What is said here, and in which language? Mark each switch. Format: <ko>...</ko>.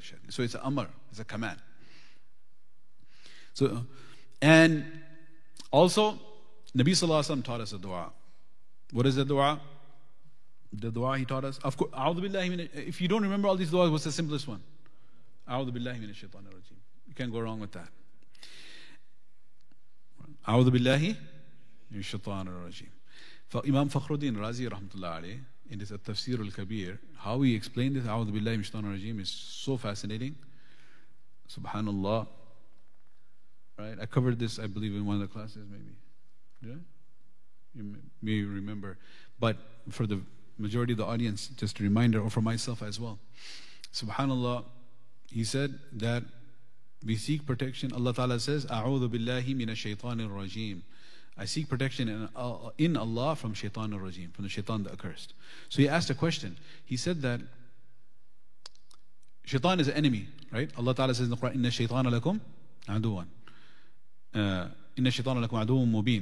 <en>So it's an amr, it's a command. So, and also, Nabi Sallallahu Alaihi Wasallam taught us a dua. What is the dua? The dua he taught us. Of course,</en> <ar>أعوذ بالله من.</ar> <en>If you don't remember all these duas, what's the simplest one?</en> <ar>أعوذ بالله من الشيطان الرجيم.</ar> <en>You can't go wrong with that.</en> <ar>أعوذ بالله من الشيطان الرجيم.</ar> <en>Imam Fakhruddin Razi, rahmatullah alayh, in his Tafsir al-Kabir, how he explained this,</en> <ar>أعوذ بالله من الشيطان الرجيم,</ar> <en>is so fascinating. Subhanallah. Right, I covered this, I believe, in one of the classes, maybe. Yeah, you may remember. But for the majority of the audience, just a reminder, or for myself as well. Subhanallah, he said that we seek protection. Allah Ta'ala says,</en> <ar>أعوذ بالله من الشيطان الرجيم.</ar> <en>I seek protection in Allah from shaitan al-rajim, from the shaitan the accursed. So he asked a question. He said that shaitan is an enemy, right? Allah Ta'ala says in the Quran,</en> <ar>إِنَّ الشَّيْطَانَ لَكُمْ عَدُوًا. إِنَّ الشَّيْطَانَ لَكُمْ عَدُوٌ مُبِينٌ.</ar>